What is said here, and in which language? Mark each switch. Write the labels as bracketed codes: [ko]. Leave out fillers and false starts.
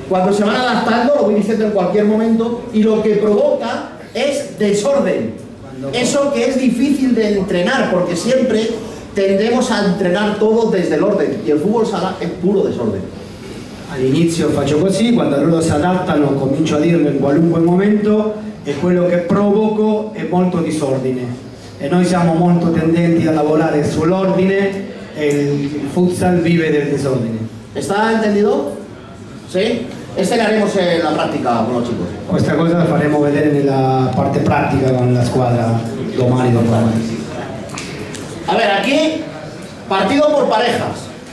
[es] Cuando se van adaptando, lo voy diciendo en cualquier momento, y lo que provoca es desorden. Eso que es difícil de entrenar, porque siempre tendemos a entrenar todo desde el orden y el fútbol sala es puro desorden. [it] Al inicio faccio così, [es] cuando loro si adattano comincio a dirlo en qualunque momento [it] e quello che provoco è molto disordine. E noi siamo molto tendenti a lavorare sull'ordine e il futsal vive del disordine. [es] ¿Está entendido? Sí. Este lo haremos en la práctica con los chicos. [it] Questa cosa la faremo vedere nella parte pratica con la squadra domani o dopodomani. [es] A ver, aquí partido por parejas.